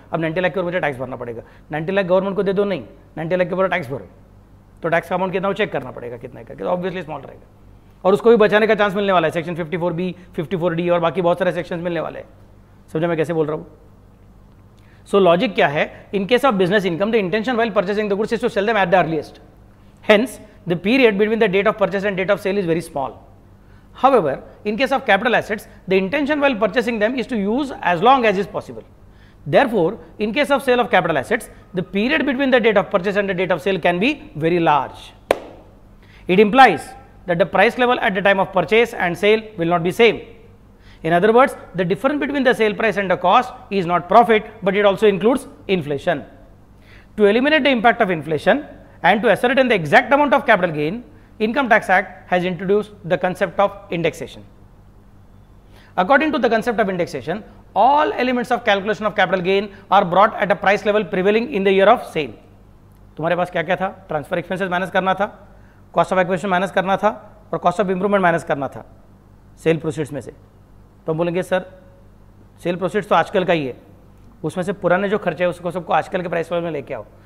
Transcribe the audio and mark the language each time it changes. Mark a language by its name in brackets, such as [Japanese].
[Hindi] अब 90 लाख के ऊपर मुझे टैक्स भरना पड़ेगा, 90 लाख गवर्नमेंट को दे दो, नहीं 90 लाख के ऊपर टैक्स भरो, तो टैक्स का अमाउंट कितना चेक करना पड़ेगा कितना है करके, तो ऑब्वियसली स्मॉल रहेगा, और उसको भी बचाने का चांस मिलने वाला है, सेक्शन 54B, 54D और बाकी बहुत सारे सेक्शन मिलने वाले हैं। समझा मैं कैसे बोल रहा हूँ? सो लॉजिक क्या है? [English] In case of business income the intention while purchasing the goods is to sell them at the earliest, hence the period between the date of purchase and date of sale is very small. However, in case of capital assets, the intention while purchasing them is to use as long as is possible. Therefore, in case of sale of capital assets, the period between the date of purchase and the date of sale can be very large. It implies that the price level at the time of purchase and sale will not be same. In other words, the difference between the sale price and the cost is not profit, but it also includes inflation. To eliminate the impact of inflation and to ascertain the exact amount of capital gain, Income Tax Act has introduced the concept of indexation. According to the concept of indexation, all elements of calculation of capital gain are brought at a price level prevailing in the year of sale. [Hindi] तुम्हारे पास क्या क्या था? Transfer expenses minus करना था, cost of acquisition minus करना था और cost of improvement minus करना था सेल प्रोसीड्स में से. तो हम बोलेंगे सर सेल प्रोसीड्स तो आजकल का ही है, उसमें से पुराने जो खर्चे हैं उसको सबको आजकल के प्राइस लेवल में लेके आओ.